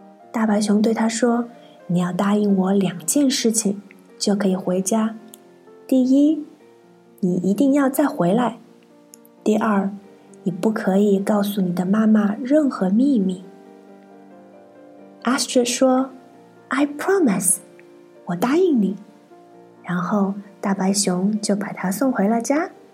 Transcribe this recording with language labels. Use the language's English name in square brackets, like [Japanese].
[Chinese] 大白熊对他说，你要答应我两件事情就可以回家。第一，你一定要再回来。第二，你不可以告诉你的妈妈任何秘密。 Astrid 说， [English] I promise, [Chinese] 我答应你。然后大白熊就把他送回了家。